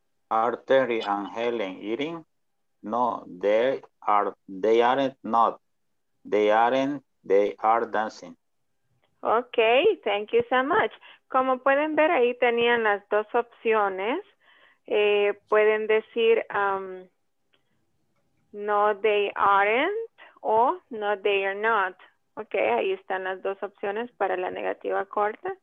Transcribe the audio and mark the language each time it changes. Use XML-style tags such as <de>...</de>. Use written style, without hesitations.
<en>Are Terry and Helen eating? No, they aren't. They are dancing. Okay, thank you so much.</en> <es>Como pueden ver, ahí tenían las dos opciones. Pueden decir,</es> <en>no, they aren't,</en> <es>o</es> <en>no, they are not.</en> <es>Okay, ahí están las dos opciones para la negativa corta.</es>